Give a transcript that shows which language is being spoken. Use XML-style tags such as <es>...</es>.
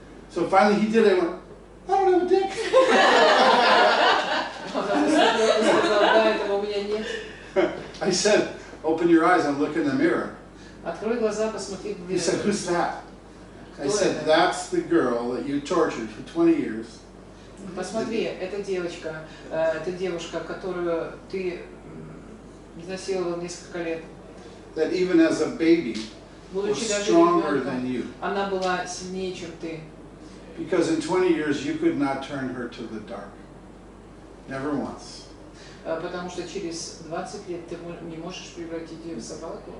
<en>So finally he did it and went, I don't have a dick. I said, open your eyes and look in the mirror.</en> <ru>Открой глаза, посмотри.</ru> <en>He said, who's that? I said, that's the girl that you tortured for 20 years.</en> <ru>Посмотри, это девочка, это девушка, которую ты изнасиловал несколько лет.</ru> <en>That even as a baby, was stronger than you.</en> <ru>Она была сильнее, чем ты.</ru> <en>Because in 20 years you could not turn her to the dark. Never once.</en> <ru>Потому что через 20 лет ты не можешь превратить ее в собаку.</ru>